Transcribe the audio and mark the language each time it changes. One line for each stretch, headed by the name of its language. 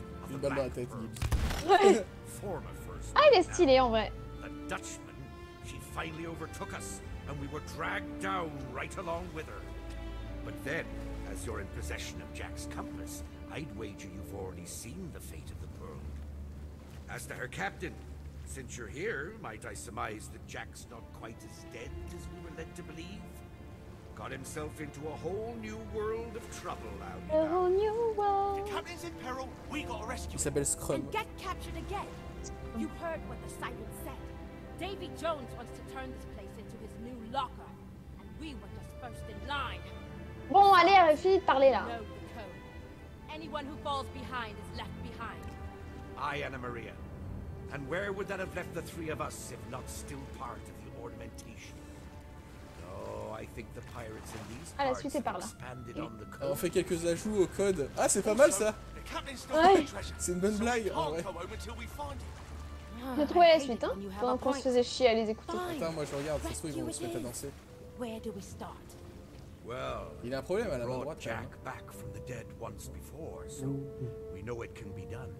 French: Une balle dans la tête, Gibbs. Ah, il est stylé en vrai.
English: La Dutchman, she finally overtook us, and we were dragged down right along with her. But then, as you're in possession of Jack's compass, I'd wager you've already seen the fate of the pearl. As to her captain, since you're here, might I surmise that Jack's not quite as dead as we were led to believe? got himself into a whole new world of trouble out there. A whole new world. The captain's in peril. We gotta rescue him. Isabelle Scrum. And get captured again. You heard what the siren said. Davy Jones wants to turn this place into his new locker. And we were just first in line.
French: Bon, allez, arrête, finis de parler là.
English: Anyone who falls behind is left behind. I, Anna Maria. And where would that have left the three of us if not still part of the ornamentation? I think the pirates in these
French: parts suite est par là.
English: Expanded on the code.
French: On fait quelques ajouts au code. Ah, c'est pas mal ça. Ouais. C'est une bonne blague. On va trouver la suite, hein. Pendant qu'on se faisait chier à les écouter. Attends, moi je regarde, ça se trouve ils vont se mettre à danser.
English: Where do we start? Well,
French: il a un problème à la main droite. Jack hein.
English: Back from the dead once before, so we know it can be done.